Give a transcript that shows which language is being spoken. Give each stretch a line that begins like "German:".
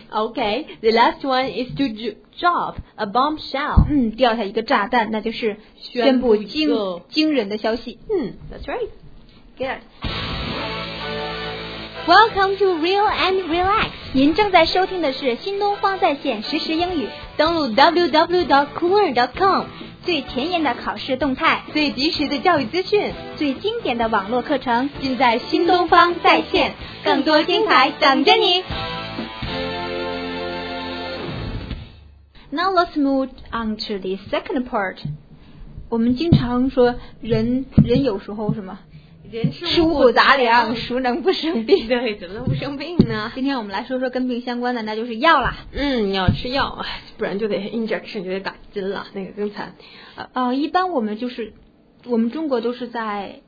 English: Okay, the last one is to drop a bombshell.
Chinese: 嗯，掉下一个炸弹，那就是宣布惊人的消息。
English: 嗯 ，That's right. Good. Welcome to Real and Relax.
Chinese: 您正在收听的是新东方在线实时英语，登录 www.cooler.com 最前沿的考试动态，最及时的教育资讯，最经典的网络课程，尽在新东方在线，更多精彩等着你。
English: Now let's move on to the second part.
Chinese: 我们经常说人有时候什么？人吃五谷杂粮，孰能不生病？对，怎么能不生病呢？今天我们来说说跟病相关的，那就是药啦。嗯，要吃药，不然就得 injection， 就得打针了，那个更惨。一般我们就是，我们中国都是在